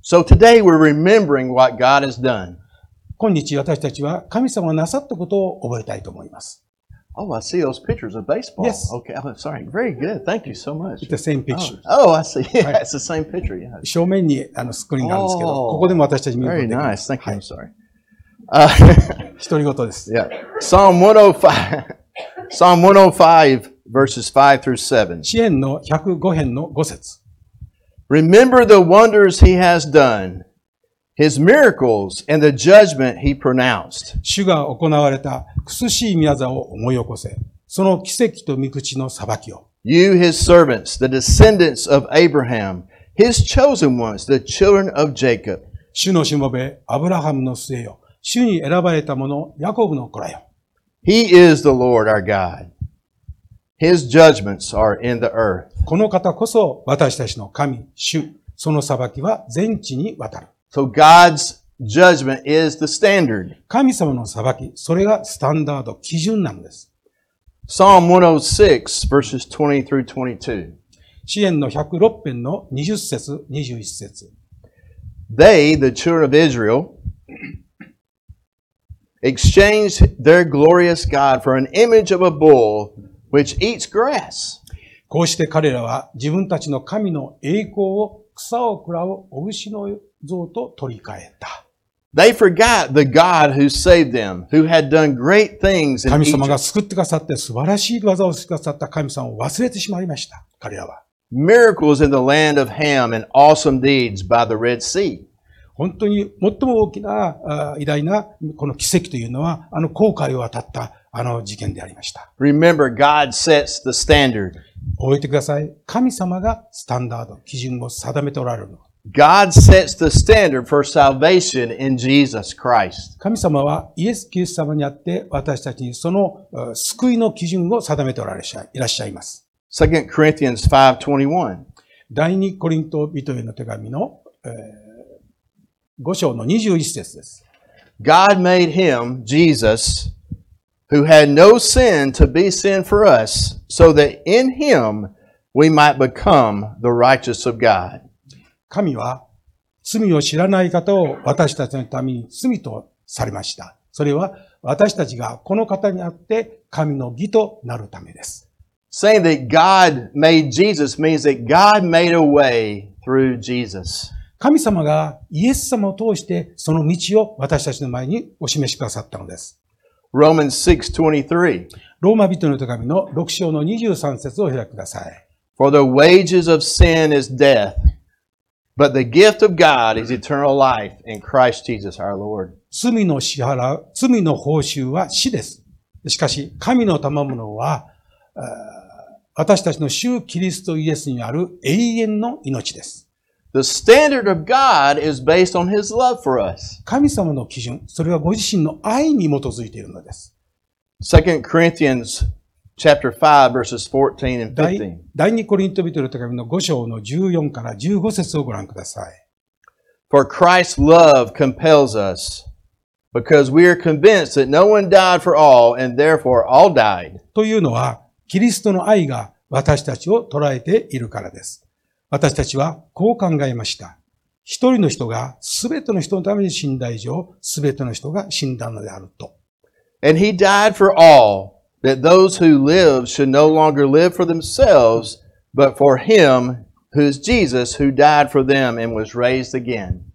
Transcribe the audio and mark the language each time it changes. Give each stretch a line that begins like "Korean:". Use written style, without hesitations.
English: So today we're remembering what God has done.
Japanese: 今日私たちは神様がなさったことを覚えたいと思います。
English: Oh, I see those pictures of baseball. Yes. Okay, I'm sorry. Very good. Thank you so much. It's the same picture. Oh, I see. Yeah, it's the same picture. Yeah.
Japanese: 正面にスクリーンがあるんですけど、ここでも私たち見ることができます。
English: Very nice. Thank you. I'm sorry.
Japanese: 一人ごとです。
English: Yeah. Psalm 105 verses 5 through 7.
Japanese: 詩編の105編の5節。
English: Remember the wonders he has done, his miracles and the judgment he pronounced.
Japanese: 主が行われた苦しい御業を思い起こせ、その奇跡と御口の裁きを。
English: You his servants, the descendants of Abraham, his chosen ones, the children of Jacob.
Japanese: 主のしもべ、アブラハムの末よ、主に選ばれた者、ヤコブの子らよ。
English: He is the Lord our God. His judgments are in the earth.
Japanese: この方こそ私たちの神、主、その裁きは全地にわたる。
English: So God's judgment is the standard.
Japanese: 神様の裁き、それがスタンダード、基準なんです。
English: Psalm 106 verses 20 through 22.
Japanese: 詩編の106編の20節、21節。
English: They, the children of Israel, exchange their glorious God for an image of a bull which eats grass.
Japanese: こうして彼らは自分たちの神の栄光を草を食らうお牛の像と取り替えた。
English: They forgot the God who saved them, who had done great things in Egypt.
Japanese: 神様が救ってくださって素晴らしい技をしてくださった神様を忘れてしまいました。彼らは。
English: Miracles in the land of Ham and awesome deeds by the Red Sea.
Japanese: 本当に最も大きな、偉大な、この奇跡というのは、航海を渡った、事件でありました。
English: Remember, God sets the standard.
Japanese: 覚えてください。神様がスタンダード、基準を定めておられるの。
English: God sets the standard for salvation in Jesus Christ.
Japanese: 神様はイエス・キリスト様にあって、私たちにその、救いの基準を定めておられしゃ、いらっしゃいます。
English: 2 Corinthians 5:21.
Japanese: 第2コリント人への手紙の、5章の21節です。
English: God made him, Jesus, who had no sin to be sin for us, so that in him we might become the righteous of God.
Japanese: 神は罪を知らない方を私たちのために罪とされました。それは私たちがこの方にあって神の義となるためです。
English: Saying that God made Jesus means that God made a way through Jesus.
Japanese: 神様がイエス様を通してその道を私たちの前にお示しくださったのです。
English: Romans 6:23.
Japanese: ローマ人の手紙の6章の23節を開きください。
English: For the wages of sin is death, But the gift of God is eternal life in Christ Jesus our Lord.
Japanese: 罪の支払う、罪の報酬は死です。しかし、神の賜物は、私たちの主キリストイエスにある永遠の命です。
English: The standard of God is based on His love for us.
Japanese: 神様の基準、それはご自身の愛に基づいているのです。
English: 2 Corinthians chapter 5 verses 14 and 15.
Japanese: 第2コリントビトの手紙の5章の14から15節をご覧ください。
English: For Christ's love compels us, because we are convinced that no one died for all, and therefore all died.
Japanese: というのは、キリストの愛が私たちを捉えているからです。私たちはこう考えました。一人の人がすべての人のために死んだ以上、すべての人が死んだのであると。
English: And he died for all, that those who live should no longer live for themselves, but for him who is Jesus, who died for them and was raised again.